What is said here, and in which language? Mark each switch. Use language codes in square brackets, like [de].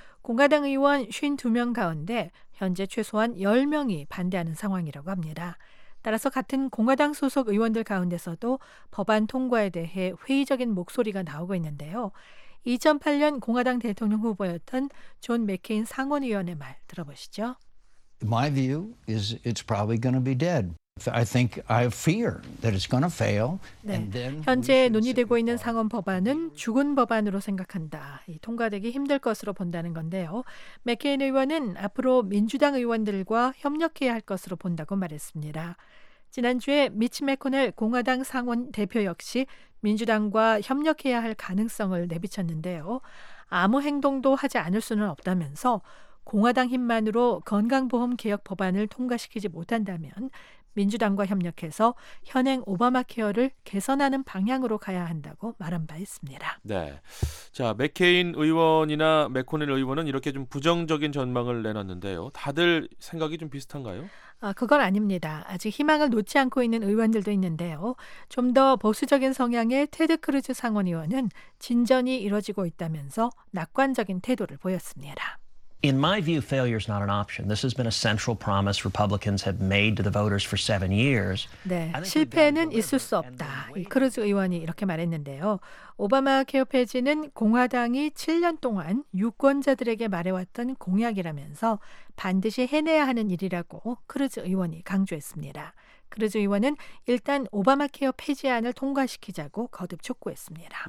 [ko] 공화당 의원 52명 가운데 현재 최소한 10명이 반대하는 상황이라고 합니다. 따라서 같은 공화당 소속 의원들 가운데서도 법안 통과에 대해 회의적인 목소리가 나오고 있는데요. 2008년 공화당 대통령 후보였던 존 맥케인 상원의원의 말 들어보시죠. [en] My view is it's probably going to be dead. I think I fear that it's going to fail. [ko] 네, [en] and then [ko] 현재 논의되고 있는 상원 법안은 죽은 법안으로 생각한다. 이 통과되기 힘들 것으로 본다는 건데요. 맥케인 의원은 앞으로 민주당 의원들과 협력해야 할 것으로 본다고 말했습니다. 지난주에 미치 맥코넬 공화당 상원 대표 역시 민주당과 협력해야 할 가능성을 내비쳤는데요. 아무 행동도 하지 않을 수는 없다면서 공화당 힘만으로 건강보험 개혁 법안을 통과시키지 못한다면 민주당과 협력해서 현행 오바마케어를 개선하는 방향으로 가야 한다고 말한 바 있습니다. 네, 자 맥케인 의원이나 맥코넬 의원은 이렇게 좀 부정적인 전망을 내놨는데요. 다들 생각이 좀 비슷한가요? 그건 아닙니다. 아직 희망을 놓지 않고 있는 의원들도 있는데요. 좀 더 보수적인 성향의 테드 크루즈 상원의원은 진전이 이뤄지고 있다면서 낙관적인 태도를 보였습니다. [en] In my view, failure is not an option. This has been a central promise Republicans have made to the voters for 7 years. [ko] 네, 실패는 있을 수 없다. 이 크루즈 의원이 이렇게 말했는데요. 오바마 케어 폐지는 공화당이 7년 동안 유권자들에게 말해왔던 공약이라면서 반드시 해내야 하는 일이라고 크루즈 의원이 강조했습니다. 크루즈 의원은 일단 오바마 케어 폐지안을 통과시키자고 거듭 촉구했습니다.